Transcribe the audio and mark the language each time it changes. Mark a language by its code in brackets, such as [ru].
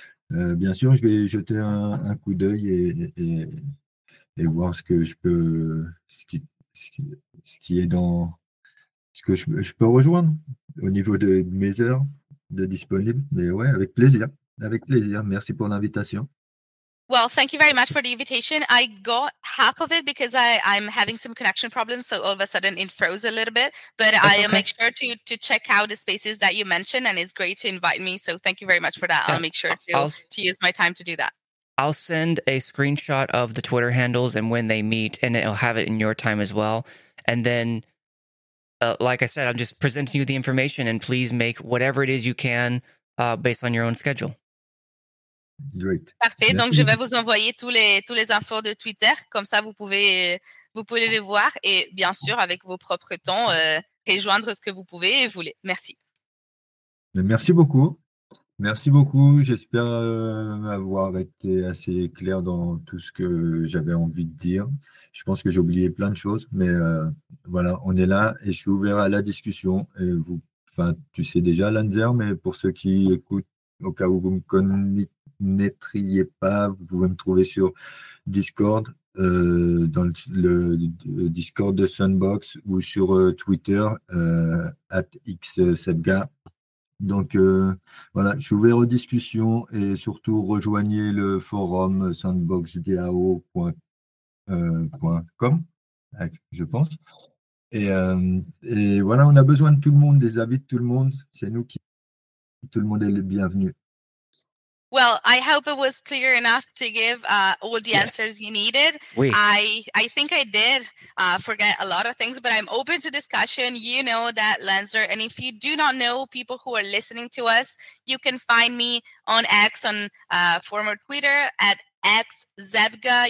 [fr] Bien sûr, je vais jeter un coup d'œil et voir ce que je peux, ce qui est dans. Ce que je peux rejoindre au niveau de mes heures de disponibles. Mais ouais, avec plaisir. Avec plaisir. Merci pour l'invitation. [en] Well, thank you very much for the invitation. I got half of it because I'm having some connection problems. So all of a sudden it froze a little bit. But I'll make sure to check out the spaces that you mentioned. And it's great to invite me. So thank you very much for that. Yeah. I'll make sure to use my time to do that. I'll send a screenshot of the Twitter handles and when they meet, and it'll have it in your time as well. And then, like I said, I'm just presenting you the information, and please make whatever it is you can based on your own schedule. Great. [fr] Parfait. Merci. Donc, je vais vous envoyer tous les infos de Twitter. Comme ça, vous pouvez les voir et bien sûr, avec vos propres temps, rejoindre ce que vous pouvez et voulez. Merci. Merci beaucoup. Merci beaucoup. J'espère avoir été assez clair dans tout ce que j'avais envie de dire. Je pense que j'ai oublié plein de choses, mais voilà, on est là et je suis ouvert à la discussion. Et vous, enfin, tu sais déjà, Lanzer, mais pour ceux qui écoutent, au cas où vous me connaîtriez pas, vous pouvez me trouver sur Discord, dans le Discord de Sunbox ou sur Twitter, @xsebga. Donc voilà, je suis ouvert aux discussions et surtout rejoignez le forum sandboxdao.com, je pense. Et voilà, on a besoin de tout le monde, des avis de tout le monde. C'est nous qui. Tout le monde est le bienvenu. [en] Well, I hope it was clear enough to give all the answers you needed. [fr] Oui. [en] I think I did forget a lot of things, but I'm open to discussion. You know that, Lanzer. And if you do not know people who are listening to us, you can find me on X, on former Twitter, @xzebga.